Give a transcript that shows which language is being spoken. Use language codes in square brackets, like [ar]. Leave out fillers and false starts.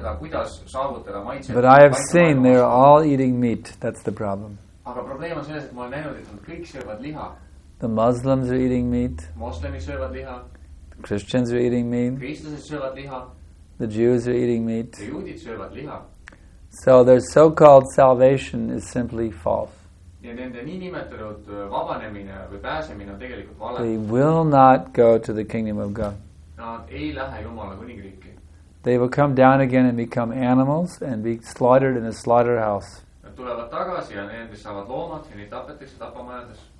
[en] But I have seen they're all eating meat. That's the problem. [et] Aga probleem on selles, et ma olen näinud, et nad kõik söövad liha. [en] The Muslims are eating meat. [et] Moslemid söövad liha. [en] The Christians are eating meat. [et] Kristlased söövad liha. [en] The Jews are eating meat. [et] Ja juudid söövad liha. [en] So their so-called salvation is simply false. [et] Ja nende nii nimetatud vabanemine või pääsemine on tegelikult vale. [en] They will not go to the kingdom of God. [et] Nad ei lähe Jumala kuningriiki. [en] They will come down again and become animals and be slaughtered in a slaughterhouse. [et] Nad tulevad tagasi ja nende saavad loomad ja neid tapetakse tapamajades.